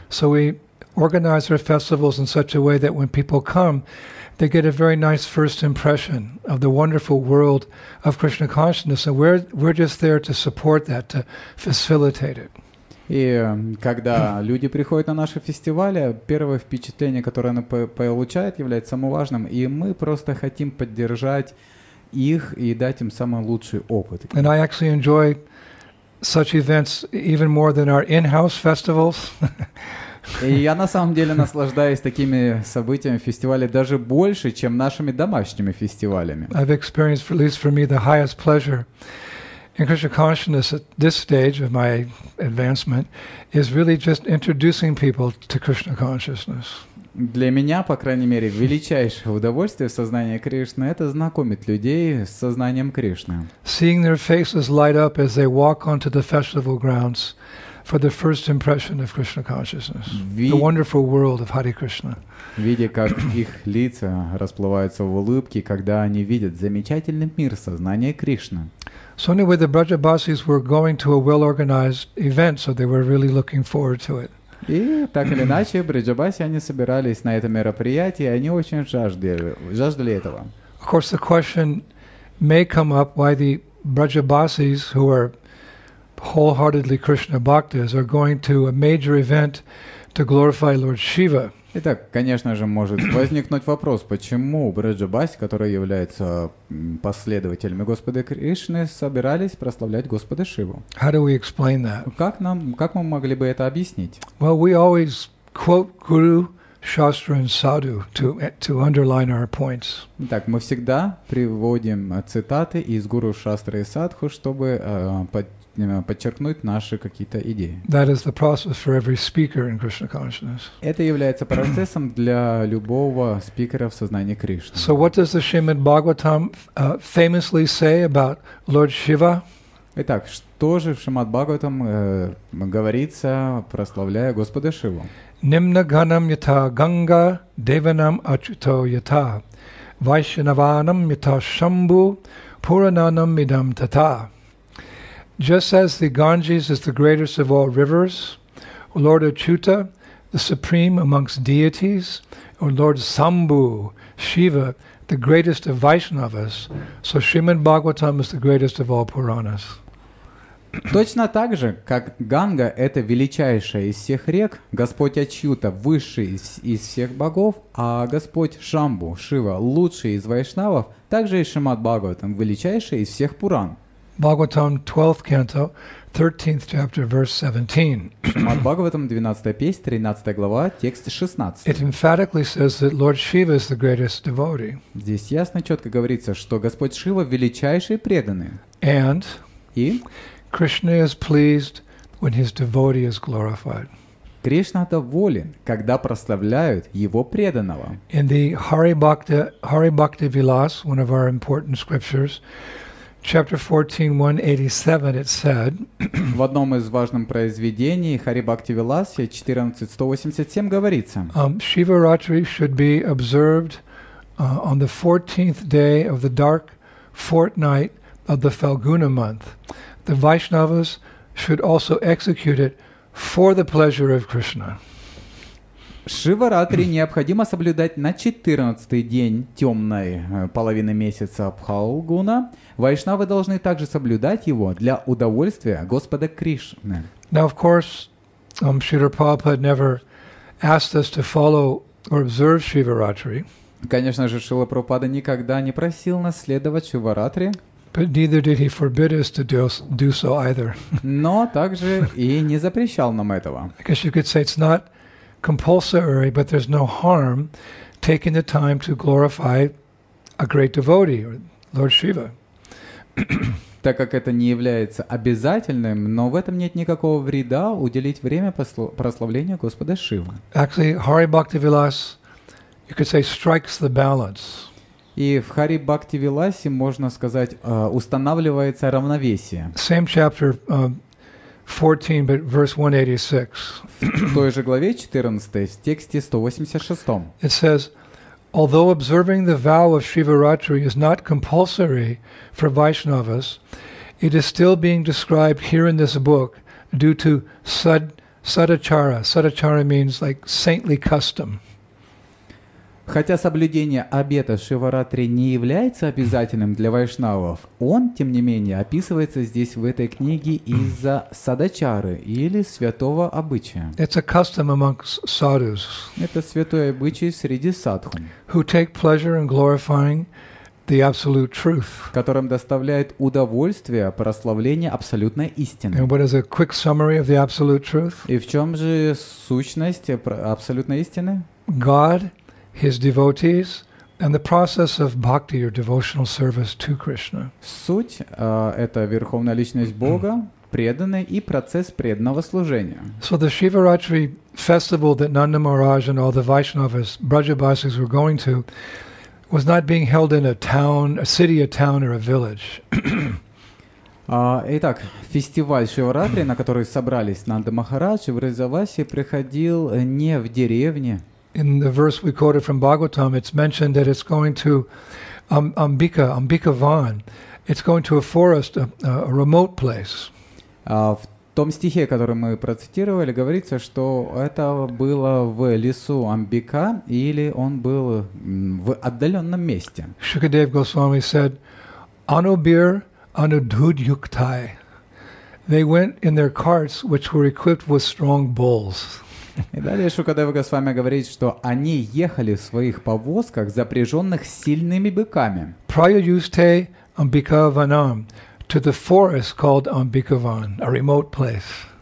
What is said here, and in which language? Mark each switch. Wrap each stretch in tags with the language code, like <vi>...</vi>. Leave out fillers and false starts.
<en>So we organize our festivals in such a way that when people come, they get a very nice first impression of the wonderful world of Krishna consciousness, and we're just there to support that, to facilitate it.</en> <ru>И когда люди приходят на наши фестивали, первое впечатление, которое они получают, является самым важным, и мы просто хотим поддержать их и дать им самый лучший опыт.</ru> <en>And I actually enjoy such events even more than our in-house festivals.</en> <ru>И я на самом деле наслаждаюсь такими событиями, фестивалями даже больше, чем нашими домашними фестивалями.</ru> <en>I've experienced, at least for me, the highest pleasure in Krishna consciousness at this stage of my advancement is really just introducing people to Krishna consciousness.</en> <ru>Для меня, по крайней мере, величайшее удовольствие в сознании Кришны — это знакомить людей с сознанием Кришны.</ru> <en>Seeing their faces light up as they walk onto the festival grounds for the first impression of Krishna consciousness, the wonderful world of Hare Krishna.</en> <ru>Видя, как их лица расплываются в улыбке, когда они видят замечательный мир сознания Кришны.</ru> <en>So anyway, the Brajabasis were going to a well-organized event, so they were really looking forward to it.</en> <ru>И так или иначе, Брджабаси, они собирались на это мероприятие, и они очень жаждали этого.</ru> <en>Of course, the question may come up why the Brajabasis, who are wholeheartedly Krishna bhaktas, are going to a major event to glorify Lord Shiva.</en> <ru>Итак, конечно же, может возникнуть вопрос, почему Брджабаси, которые являются последователями Господа Кришны, собирались прославлять Господа Шиву?</ru> <en>How do we explain that?</en> <ru>Как мы могли бы это объяснить?</ru> <en>Well, we always quote Guru, Shastra and Sadhu to underline our points.</en> <ru>Итак, мы всегда приводим цитаты из Гуру, Шастры и Садху, чтобы подчеркнуть наши какие-то идеи.</ru> <en>That is the process for every speaker in Krishna consciousness.</en> <ru>Это является процессом для любого спикера в сознании Кришны.</ru> <en>So what does the Srimad Bhagavatam famously say about Lord Shiva?</en> <ru>Итак, что же в Шримад Бхагаватам говорится, прославляя Господа Шиву?</ru> <sa>Nimna ganam yata Ganga devanam achuto yata Vaishnavanam yata Shambhu Purananam idam tata.</sa> <en>Just as the Ganges is the greatest of all rivers, Lord Achyuta, the supreme amongst deities, or Lord Sambhu, Shiva, the greatest of Vaishnavas, so Srimad Bhagavatam is the greatest of all Puranas.</en> <ru>Точно так же, как Ганга — это величайшая из всех рек, Господь Ачьюта — высший из всех богов, а Господь Шамбу, Шива, лучший из Вайшнавов, также и Шримад Бхагаватам — величайший из всех Пуран.</ru> <en>Bhagavatam 12th canto, 13th chapter, verse 17.</en> <ru>Бхагаватам 12 песнь, 13 глава, текст 16.</ru> <en>It emphatically says that Lord Shiva is the greatest devotee.</en> <ru>Здесь ясно, четко говорится, что Господь Шива величайший преданный.</ru> <en>And</en> <ru>и</ru> <en>Krishna is pleased when his devotee is glorified.</en> <ru>Кришна доволен, когда прославляют его преданного.</ru> <en>In the Hari Bhakti Vilas, one of our important scriptures, Chapter 14, 187, it said,</en> <ru>в одном из важных произведений Хари Бхакти Виласа 14.187 говорится,</ru> <en>Шиваратри should be observed on the 14th day of the dark fortnight of the Falguna month. The Vaishnavas should also execute it for the pleasure of Krishna.</en> <ru>Шиваратри необходимо соблюдать на 14-й день темной половины месяца Пхалгуна. Вайшнавы должны также соблюдать его для удовольствия Господа Кришны.</ru> <en>Now, of course, Śrīla Prabhupāda never asked us to follow or observe Shivaratri.</en> <ru>Конечно же, Śrīla Prabhupāda никогда не просил нас следовать Шиваратри.</ru> <en>But neither did he forbid us to do so either.</en> <ru>Но также и не запрещал нам этого.</ru> <en>I guess you could say it's not compulsory, but there's no harm taking the time to glorify a great devotee, or Lord Shiva.</en> <ru>Так как это не является обязательным, но в этом нет никакого вреда уделить время прославлению Господа Шивы.</ru> <en>Actually, Hari Bhakti Vilas, you could say, strikes the balance.</en> <ru>И в Хари Бхакти Виласе, можно сказать, устанавливается равновесие.</ru> <en>Same chapter, 14, but verse 186.</en> <ru>В той же главе 14, в тексте 186.</ru> <en>It says, although observing the vow of Shivaratri is not compulsory for Vaishnavas, it is still being described here in this book due to sadachara. Sadachara means like saintly custom.</en> <ru>Хотя соблюдение обета Шиваратри не является обязательным для вайшнавов, он, тем не менее, описывается здесь в этой книге из-за садачары или святого обычая.</ru> <en>It's a custom amongst sadhus.</en> <ru>Это святой обычай среди садху.</ru> <en>Who take pleasure in glorifying the absolute truth.</en> <ru>Которым доставляет удовольствие прославление абсолютной истины.</ru> <en>And what is a quick summary of the absolute truth?</en> <ru>И в чем же сущность абсолютной истины?</ru> <en>God, His devotees, and the process of bhakti or devotional service to Krishna.</en> <ru>Суть это верховная личность Бога, преданный и процесс преданного служения.</ru> <en>So the Shivaratri festival that Nanda Maharaj and all the Vaishnavas, Brajabasis were going to was not being held in a town, a city, a town or a village.</en> <ru>Итак, фестиваль Шиваратри, на который собрались Нанда Махарадж и Вриндаваси, приходил не в деревне.</ru> <en>In the verse we quoted from Bhagavatam, it's mentioned that it's going to Ambikavan. It's going to a forest, a remote place.</en> <ru>В том стихе, который мы процитировали, говорится, что это было в лесу Амбика, или он был в отдаленном месте.</ru> <en>Shukadev Goswami said,</en> <sa>Anubir Anudhud Yuktai.</sa> <en>They went in their carts, which were equipped with strong bulls.</en> <ru>И далее Шукадева Госвами говорит, что они ехали в своих повозках, запряженных сильными быками.</ru> <sa>Prayayuste Ambikavanam</sa> <en>to the forest called Ambikavan, a remote place.</en>